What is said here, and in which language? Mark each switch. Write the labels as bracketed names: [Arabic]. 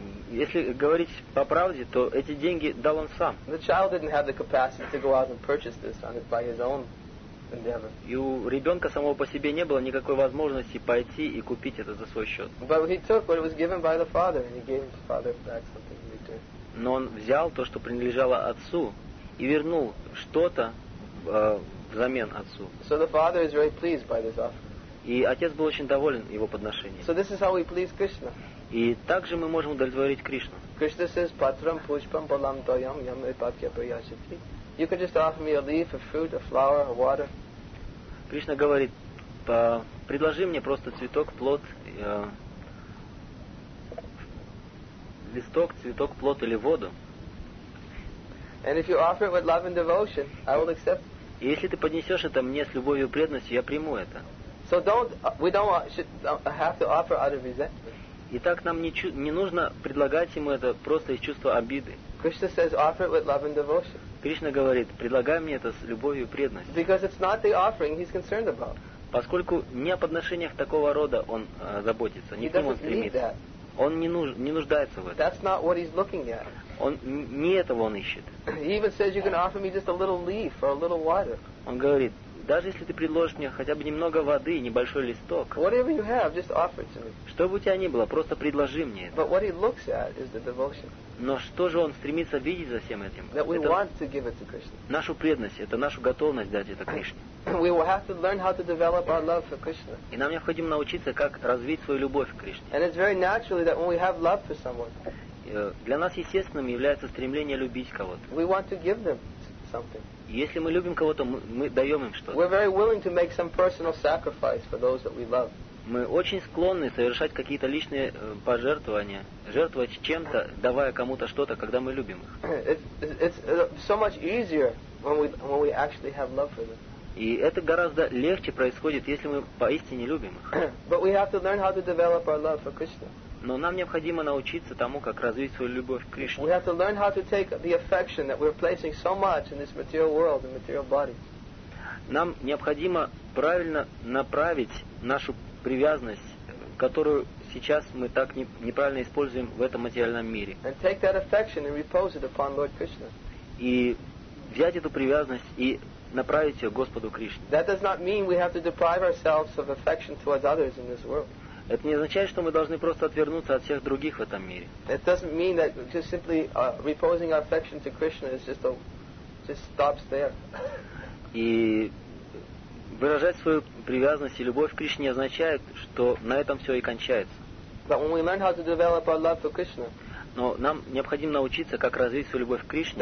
[Russian] Если говорить по правде, то эти деньги дал он сам. [English] The child didn't have the capacity to go out and purchase this on it by his own endeavor. [Russian] И у ребенка самого по себе не было никакой возможности пойти и купить это за свой счет. [English] But he took what was given by the father, and he gave his father back something in return. [Russian] Но он взял то, что принадлежало отцу, и вернул что-то взамен отцу. [English] So the father is very pleased by this offer. [Russian] И отец был очень доволен его подношением. [English] So this is how we please Krishna. [Russian] И также мы можем удовлетворить Кришну. [English] Krishna says, [Sanskrit] "Patram pushpam balam doyam yamay patya prayasati." [English] You could just offer me a leaf, a fruit, a flower, a water. [Russian] Кришна говорит, предложи мне просто цветок, плод, листок, цветок, плод или воду. [English] And if you offer it with love and devotion, I will accept. [Russian] И если ты поднесешь это мне с любовью и преданностью, я приму это. [English] So don't we don't should have to offer out of resentment. [Russian] Итак, нам не нужно предлагать ему это просто из чувства обиды. [English] Krishna says, offer it with love and devotion. [Russian] Кришна говорит, предлагай мне это с любовью и преданностью. [English] Because it's not the offering he's concerned about. [Russian] Поскольку не о подношениях такого рода он заботится, не к нему он стремится. Он не нуждается в этом. [English] That's not what he's looking at. [Russian] Он не этого он ищет. [English] He even says you can offer me just a little leaf or a little water. [Russian] Он говорит, даже если ты предложишь мне хотя бы немного воды, небольшой листок. [English] Whatever you have, just offer it to me. [Russian] Что бы у тебя ни было, просто предложи мне это. [English] But what he looks at is the devotion. [Russian] Но что же он стремится видеть за всем этим? [English] That we want to give it to Krishna. [Russian] Нашу преданность, это нашу готовность дать это Кришне. [English] We will have to learn how to develop our love for Krishna. [Russian] И нам необходимо научиться, как развить свою любовь к Кришне. [English] And it's very naturally that when we have love for someone. [Russian] Для нас естественным является стремление любить кого-то. [English] We want to give them something. [Russian] Если мы любим кого-то, мы даем им что-то. [English] We're very willing to make some personal sacrifice for those that we love. [Russian] Мы очень склонны совершать какие-то личные пожертвования, жертвовать чем-то, давая кому-то что-то, когда мы любим их. [English] It's so much easier when we actually have love for them. [Russian] И это гораздо легче происходит, если мы поистине любим их. [English] But we have to learn how to develop our love for Krishna. [Russian] Но нам необходимо научиться тому, как развить свою любовь к Кришне. [English] We have to learn how to take the affection that we're placing so much in this material world, in material body. [Russian] Нам необходимо правильно направить нашу привязанность, которую сейчас мы так неправильно используем в этом материальном мире. [English] And take that affection and repose it upon Lord Krishna. [Russian] И взять эту привязанность и направить ее Господу Кришне. [English] That does not mean we have to deprive ourselves of affection towards others in this world. [Russian] Это не означает, что мы должны просто отвернуться от всех других в этом мире. [English] It doesn't mean that just simply reposing our affection to Krishna is just just stops there. [Russian] И выражать свою привязанность и любовь к Кришне означает, что на этом все и кончается. [English] But when we learn how to develop our love for Krishna, [Russian] но нам необходимо научиться, как развить свою любовь к Кришне.